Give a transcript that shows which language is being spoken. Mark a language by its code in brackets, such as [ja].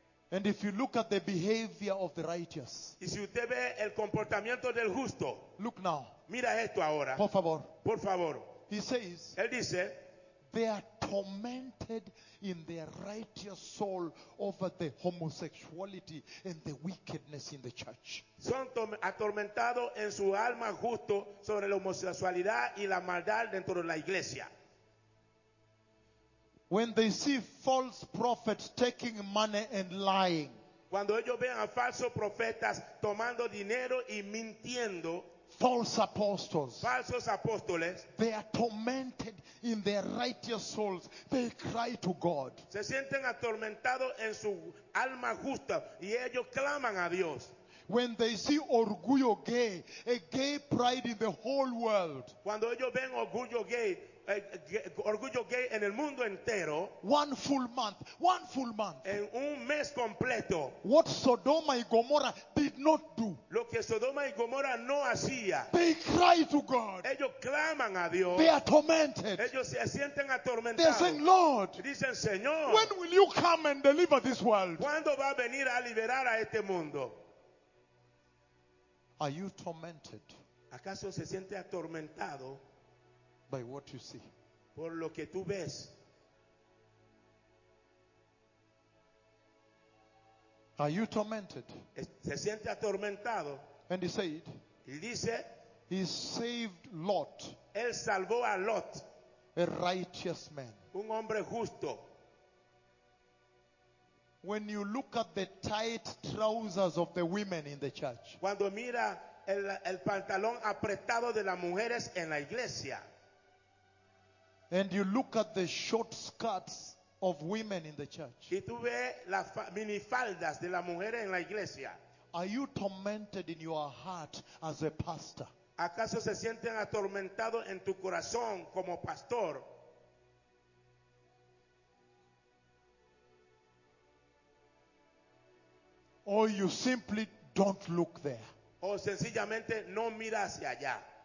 [en] And if you look at the behavior of the righteous, [es] y si usted ve el comportamiento del justo, [en] look now. [es] Mira esto ahora. Por favor. Por favor. [en] He says, [es] él dice, [en] they are tormented in their righteous soul over the homosexuality and the wickedness in the church. [es] Son atormentados en su alma justo sobre la homosexualidad y la maldad dentro de la iglesia. [en] When they see false prophets taking money and lying, [es] cuando ellos ven a falsos profetas tomando dinero y mintiendo, [en] false apostles, [es] falsos apóstoles, [en] they are tormented in their righteous souls. They cry to God. [es] Se sienten atormentados en su alma justa y ellos claman a Dios. [en] When they see [es] orgullo gay, [en] a gay pride in the whole world, [es] cuando ellos ven orgullo gay en el mundo entero, [en] one full month, [es] en un mes completo, [en] what Sodoma y Gomorra did not do, [es] lo que Sodoma y Gomorra no hacía, [en] they cry to God, [es] ellos claman a Dios, [en] they are tormented, [es] ellos se sienten atormentados, [en] they are saying, Lord, [es] dicen, Señor, [en] when will you come and deliver this world, [es] cuando va a venir a liberar a este mundo. [en] Are you tormented, [es] acaso se siente atormentado, [en] by what you see, [es] por lo que tú ves? [en] Are you tormented? [es] Se siente atormentado. [en] And he said, [es] y dice, [en] he saved Lot. [es] Él salvó a Lot. [en] A righteous man. [es] Un hombre justo. [en] When you look at the tight trousers of the women in the church. [es] Cuando mira el pantalón apretado de las mujeres en la iglesia. [en] And you look at the short skirts of women in the church. [es] Y tú ves las minifaldas de las mujeres en la iglesia. [en] Are you tormented in your heart as a pastor? [es] ¿Acaso se sienten atormentados en tu corazón como pastor? [en] Or you simply don't look there. [es] O sencillamente no mira hacia allá.